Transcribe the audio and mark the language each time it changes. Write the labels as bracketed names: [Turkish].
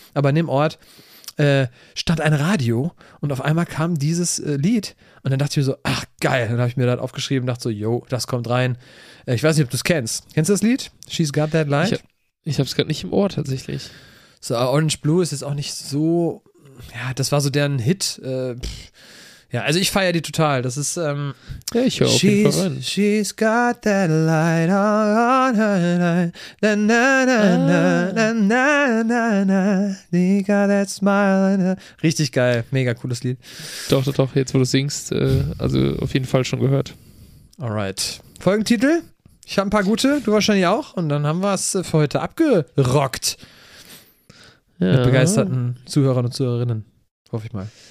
[German] Aber an dem Ort stand ein Radio und auf einmal kam dieses Lied und dann dachte ich mir so, ach geil, dann habe ich mir das aufgeschrieben und dachte so, yo, das kommt rein. Ich weiß nicht, ob du es kennst. Kennst du das Lied? She's Got That Light? Ich habe es gerade nicht im Ohr tatsächlich. So, Orange Blue ist jetzt auch nicht so, ja, das war so deren Hit. Ja, also ich feiere die total. Das ist, ja, ich höre auf jeden Fall rein. [English] She's got that light on her night. Na, na, na, na, na, na, na. They got that smile on her. [German] Richtig geil. Mega cooles Lied. Doch, doch, doch. Jetzt, wo du singst, also auf jeden Fall schon gehört. Alright. Folgentitel? Ich habe ein paar gute, du wahrscheinlich auch. Und dann haben wir es für heute abgerockt. Ja. Mit begeisterten Zuhörern und Zuhörerinnen. Hoffe ich mal.